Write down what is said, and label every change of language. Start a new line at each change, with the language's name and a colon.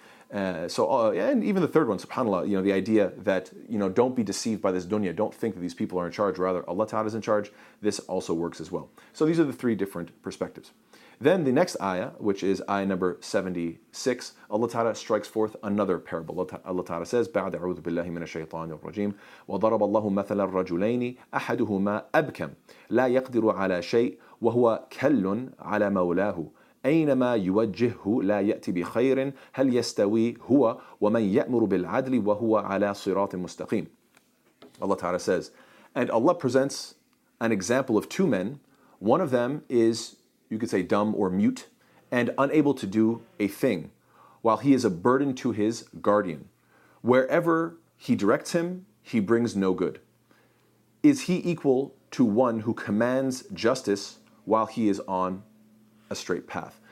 English: And even the third one, subhanAllah, you know, the idea that, you know, don't be deceived by this dunya, don't think that these people are in charge, rather Allah Ta'ala is in charge, this also works as well. So these are the three different perspectives. Then the next ayah, which is ayah number 76, Allah Ta'ala strikes forth another parable. Allah Ta'ala says,
Arabic: بعد أعوذ بالله من الشيطان الرجيم وضرب الله مثلا الرجلين أحدهما أبكم لا يقدر على شيء وهو كل على مولاه أينما يوجهه لا يأتي بخير هل يستوي هو ومن يأمر بالعدل وهو على صراط مستقيم.
English: Allah Ta'ala says, and Allah presents an example of two men. One of them is, you could say, dumb or mute, and unable to do a thing, while he is a burden to his guardian. Wherever he directs him, he brings no good. Is he equal to one who commands justice while he is on a straight path?